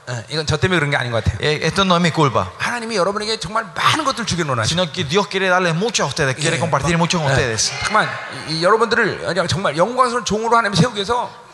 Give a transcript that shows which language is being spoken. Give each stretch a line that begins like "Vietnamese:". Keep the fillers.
Korean: 이건 저 때문에 그런 게 아닌 것 같아요.
Spanish: 예, esto no es mi culpa.
Korean: 하나님이 여러분에게 정말 많은 것들 주기로는 하시.
Spanish: Sino que Dios quiere darles mucho a ustedes, quiere 예, compartir 바, mucho con 예. ustedes.
Korean: 정말 이, 이, 여러분들을 정말 영광스러운 종으로 하나님 세우기 위해서.